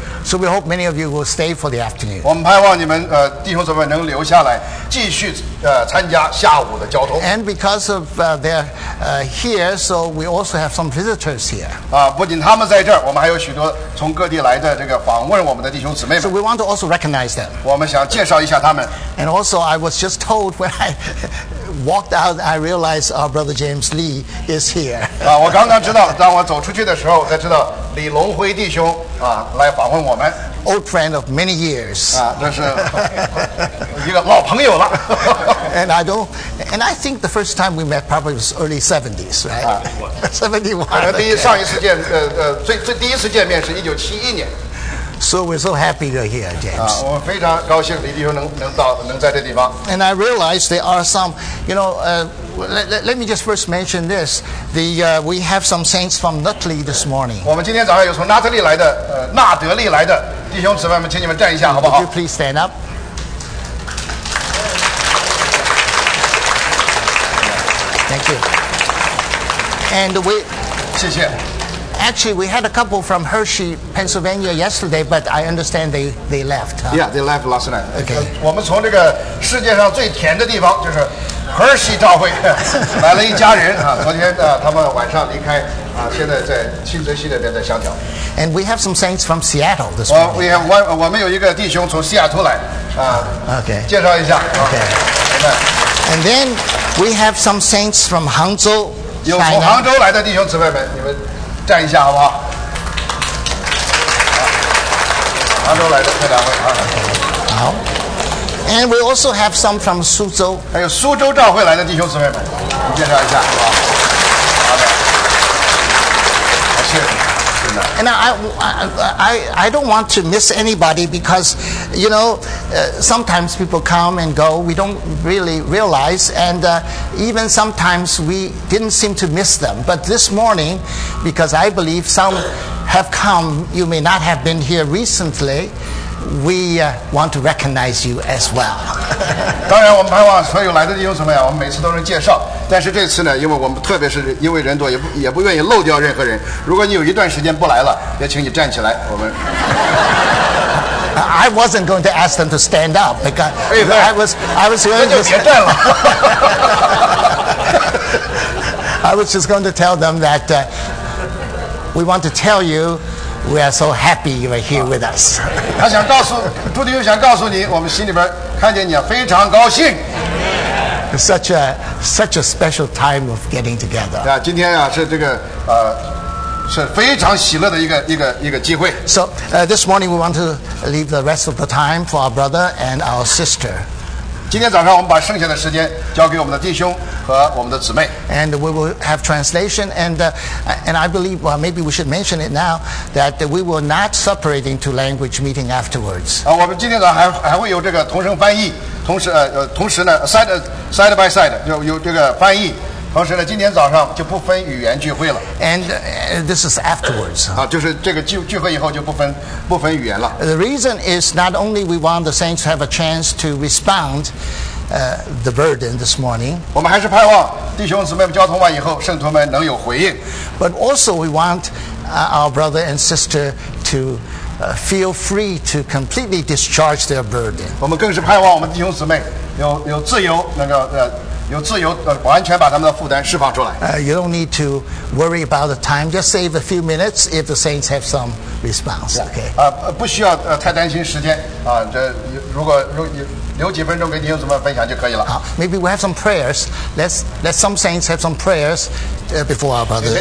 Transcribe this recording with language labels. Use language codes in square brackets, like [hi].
[en] So we hope many of you will stay for the afternoon. [zh] 我们盼望你们弟兄姊妹能留下来继续参加下午的交通。 [en] And because of they're here, so we also have some visitors here. [zh] 不仅他们在这儿，我们还有许多从各地来的这个访问我们的弟兄姊妹们。 [en] So we want to also recognize them. [zh] 我们想介绍一下他们。 [en] And also, I was just told when I walked out, I realized our brother James Lee is here. [zh] 我刚刚知道，当我走出去的时候才知道李龙辉弟兄来访问我们。 [en] Old friend of many years. [zh] 这是一个老朋友了。 [en] And I think the first time we met probably was early 70s, right? 71. [zh] 第一次见面是1971年。 [en] So we're so happy to hear James. [zh] 我非常高兴李弟兄能在这地方。 [en] And I realize there are some, you know, let me just first mention this. We have some saints from Nutley this morning. [zh] 我们今天早上有从纳德利来的弟兄姊妹们，请你们站一下好不好？ [en] Would you please stand up? Thank you. And we. [zh] 谢谢。 [en] Actually, we had a couple from Hershey, Pennsylvania yesterday, but I understand they left. Yeah, they left last night. Okay. [zh] 我们从这个世界上最甜的地方，就是 Hershey 召会，来了一家人昨天他们晚上离开现在在新泽西那边的香调。 [en] And we have some saints from Seattle this morning. We have one. [zh] 我们有一个弟兄从西雅图来 [en] Okay. [zh] 介绍一下。 [en] Okay. And then we have some saints from Hangzhou. [zh] 有从杭州来的弟兄姊妹们，你们。站一下好不好？杭州来的这两位 [en] 好。And we also have some from 苏州。 [zh] 还有苏州召会来的弟兄姊妹们，你介绍一下好不好？好的。谢谢。 [en] And I don't want to miss anybody because, you know, sometimes people come and go. We don't really realize. And even sometimes we didn't seem to miss them. But this morning, because I believe some have come, you may not have been here recently, we want to recognize you as well. [zh] 当然我们盼望所有来的弟兄姊妹啊，我们每次都能介绍，但是这次呢，因为我们特别是因为人多，也不愿意漏掉任何人。如果你有一段时间不来了，也请你站起来，我们。 [en] I wasn't going to ask them to stand up because I was going to. [zh] 那就别站了。 [en] I was just going to tell them that we want to tell you we are so happy you are here with us. [zh] 他想告诉朱弟兄，想告诉你，我们心里边看见你非常高兴。 [en] Such a special time of getting together. [zh] 啊，今天啊是这个是非常喜乐的一个机会。 [en] So this morning we want to leave the rest of the time for our brother and our sister. [zh] 今天早上我们把剩下的时间交给我们的弟兄和我们的姊妹。 [en] And we will have translation and I believe well maybe we should mention it now that we will not separate into language meeting afterwards. [zh] 我们今天早上还会有这个同声翻译。同时呢 [en] side by side [zh] 有这个翻译，同时呢今天早上就不分语言聚会了。 [en] And this is afterwards [zh] 啊，就是这个聚会以后就不分语言了。 [en] The reason is not only we want the saints to have a chance to respond the burden this morning, [zh] 我们还是盼望弟兄姊妹们交通完以后圣徒们能有回应。 [en] But also we want our brother and sister to feel free to completely discharge their burden. [zh] 我们更是盼望我们弟兄姊妹有自由，能够有自由完全把他们的负担释放出来。 [en] You don't need to worry about the time. Just save a few minutes if the saints have some response. Okay. [zh] 不需要太担心时间啊。这如果留几分钟给弟兄姊妹分享就可以了。 [en] 好 ，Maybe we have some prayers. Let some saints have some prayers before our brother.